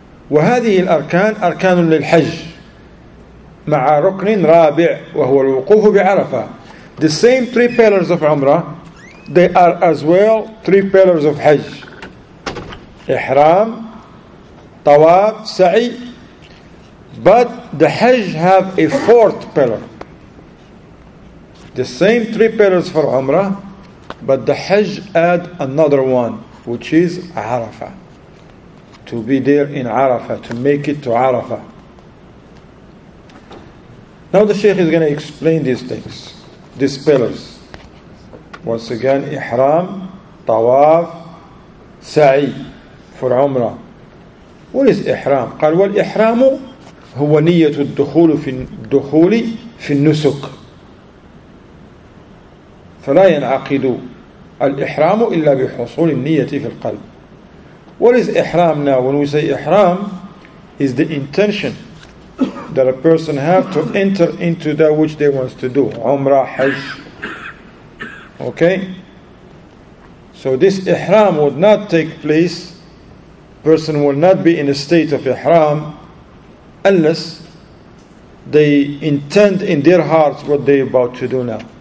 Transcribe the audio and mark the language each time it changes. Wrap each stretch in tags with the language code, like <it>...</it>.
<ar>وهذه الأركان أركان للحج مع ركن رابع وهو الوقوف بعرفة.</ar> <en>The same three pillars of Umrah, they are as well three pillars of Hajj. Ihram, Tawaf, Sa'i. But the Hajj have a fourth pillar. The same three pillars for Umrah, but the Hajj add another one, which is Arafah. To be there in Arafah, to make it to Arafah. Now the Shaykh is going to explain these things, these pillars. Once again, Ihram, Tawaf, Sa'i for Umrah. What is Ihram?</en> <ar>قال والإحرام هو نية الدخول في النسك فلا ينعقد الإحرام إلا بحصول النية في القلب.</ar> <en>What is Ihram now? When we say Ihram, is the intention that a person has to enter into that which they want to do. Umrah, Hajj. Okay, so this ihram would not take place, person will not be in a state of ihram unless they intend in their hearts what they are about to do now.</en>